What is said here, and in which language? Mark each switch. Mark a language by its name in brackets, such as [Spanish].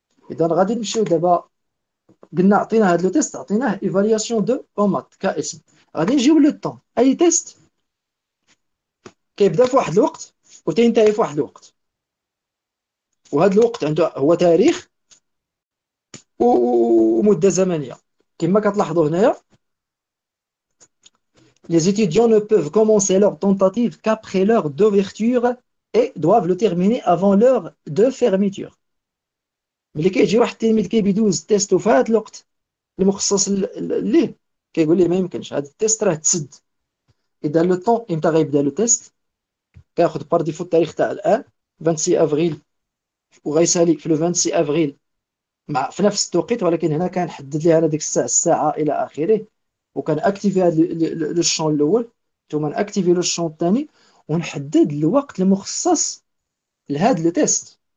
[Arabic] اذا غادي نمشيو دابا، قلنا عطينا هذا لو تيست، عطيناه ايفالياسيون دو اومات كاسم. غادي نجيو لو طون. اي تيست كيبدا في واحد الوقت وتنتهي في واحد الوقت، وهذا الوقت عنده هو تاريخ ومدة زمنية كما كتلاحظوا هنايا. [French] Les étudiants ne peuvent commencer leur tentative qu'après l'heure d'ouverture et doivent le terminer avant l'heure de fermeture. [Arabic] ملي كيجي واحد التلميذ كيدوز تيست وفي هذا الوقت المخصص ليه كيقول لي ما يمكنش هذا التيست راه تسد. اذا لو طون امتى غيبدا لو تيست؟ كياخذ بار ديفو التاريخ تاع الان 26 افريل وغيسالي في لو 26 افريل مع في نفس التوقيت، ولكن هنا كان حدد لي انا ديك الساعه الساعه الى اخره، وكان اكتيفي هذا لو شون الاول ثم اكتيفي لو شون الثاني ونحدد الوقت المخصص لهذا لو تيست.